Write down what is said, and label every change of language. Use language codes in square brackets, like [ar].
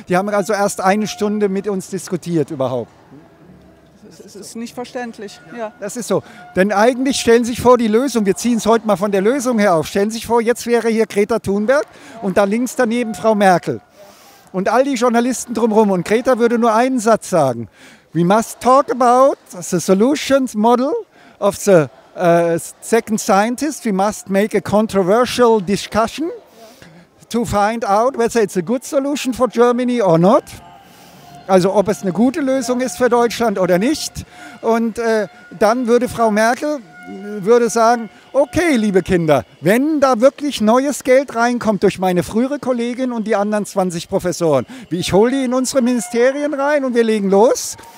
[de] Die haben also erst 1 Stunde mit uns diskutiert überhaupt. Das ist nicht verständlich. Ja. Das ist so. Denn eigentlich stellen Sie sich vor, die Lösung, wir ziehen es heute mal von der Lösung her auf, stellen Sie sich vor, jetzt wäre hier Greta Thunberg und da links daneben Frau Merkel und all die Journalisten drumherum und Greta würde nur einen Satz sagen. [en] We must talk about the solutions model of the second scientist, we must make a controversial discussion to find out whether it's a good solution for Germany or not. [de] Also ob es eine gute Lösung ist für Deutschland oder nicht. Und dann würde Frau Merkel würde sagen, okay, liebe Kinder, wenn da wirklich neues Geld reinkommt durch meine frühere Kollegin und die anderen 20 Professoren, ich hole die in unsere Ministerien rein und wir legen los.